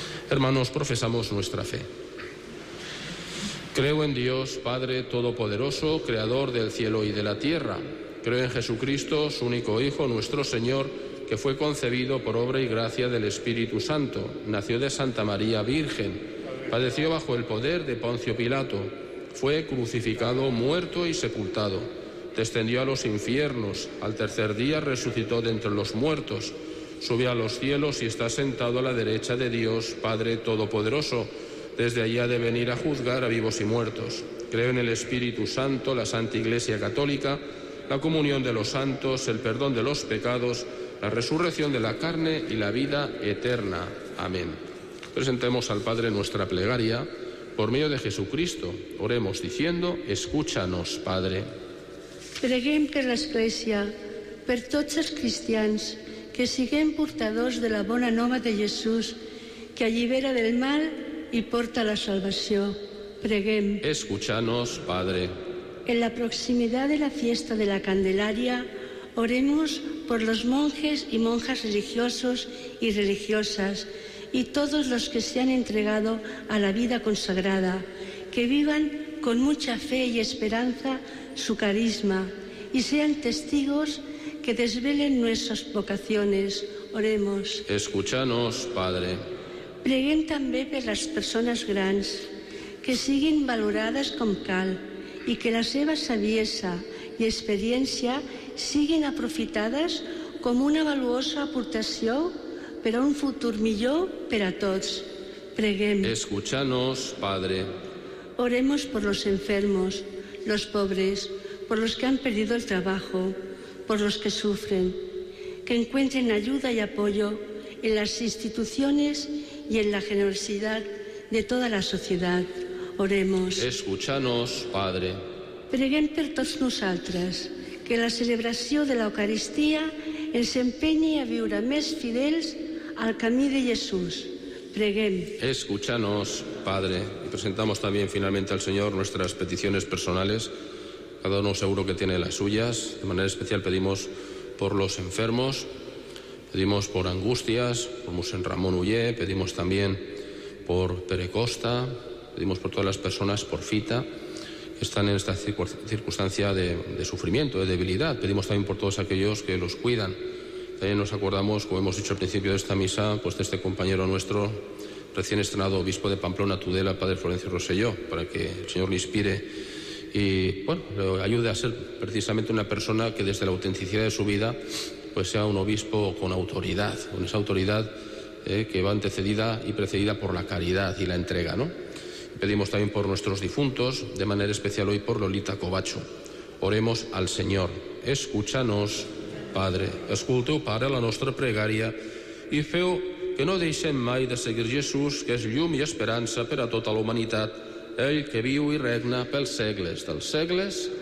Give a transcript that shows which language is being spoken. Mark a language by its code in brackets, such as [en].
[es] Hermanos, profesamos nuestra fe. Creo en Dios, Padre Todopoderoso, Creador del cielo y de la tierra. Creo en Jesucristo, su único Hijo, nuestro Señor, que fue concebido por obra y gracia del Espíritu Santo. Nació de Santa María Virgen. Padeció bajo el poder de Poncio Pilato. Fue crucificado, muerto y sepultado. Descendió a los infiernos. Al tercer día resucitó de entre los muertos. Subió a los cielos y está sentado a la derecha de Dios, Padre Todopoderoso. Desde allí ha de venir a juzgar a vivos y muertos. Creo en el Espíritu Santo, la Santa Iglesia Católica, la comunión de los santos, el perdón de los pecados, la resurrección de la carne y la vida eterna. Amén. Presentemos al Padre nuestra plegaria por medio de Jesucristo. Oremos diciendo: escúchanos, Padre. [ca] Preguem per l'Església, per tots els cristians, que siguem portadors de la bona nova de Jesús, que allibera del mal i porta la salvació. Preguem. [es] Escúchanos, Padre. En la proximitat de la fiesta de la Candelaria, oremos por los monjes y monjas religiosos y religiosas y todos los que se han entregado a la vida consagrada, que vivan con mucha fe y esperanza su carisma y sean testigos que desvelen nuestras vocaciones. Oremos. Escúchanos, Padre. [ca] Preguem també per les persones grans, que siguin valorades com cal i que la seva saviesa i experiència siguin aprofitades com una valuosa aportació per a un futur millor per a tots. Preguem. [es] Escúchanos, Padre. Oremos por los enfermos, los pobres, por los que han perdido el trabajo, por los que sufren, que encuentren ayuda y apoyo en las instituciones y en la generosidad de toda la sociedad. Oremos. Escúchanos, Padre. [ca] Preguem per tots nosaltres, que la celebració de l'Eucaristia ens empenyi a viure més fidels al camí de Jesús. Preguem. [es] Escúchanos, Padre. Y presentamos también finalmente al Señor nuestras peticiones personales, cada uno seguro que tiene las suyas. De manera especial pedimos por los enfermos, pedimos por Angustias, por Mosén Ramón Ullé, pedimos también por Pere Costa, pedimos por todas las personas, por Fita, que están en esta circunstancia de sufrimiento, de debilidad. Pedimos también por todos aquellos que los cuidan. También nos acordamos, como hemos dicho al principio de esta misa, pues de este compañero nuestro, recién estrenado obispo de Pamplona, Tudela, Padre Florencio Rosselló, para que el Señor le inspire y, bueno, le ayude a ser precisamente una persona que desde la autenticidad de su vida pues sea un obispo con autoridad, con esa autoridad que va antecedida y precedida por la caridad y la entrega, ¿no? Pedimos también por nuestros difuntos, de manera especial hoy por Lolita Covacho. Oremos al Señor. Escúchanos, Padre. [ca] Escolteu, Pare, la nostra pregària i feu que no deixem mai de seguir Jesús, que és llum i esperança per a tota la humanitat, ell que viu i regna pels segles dels segles.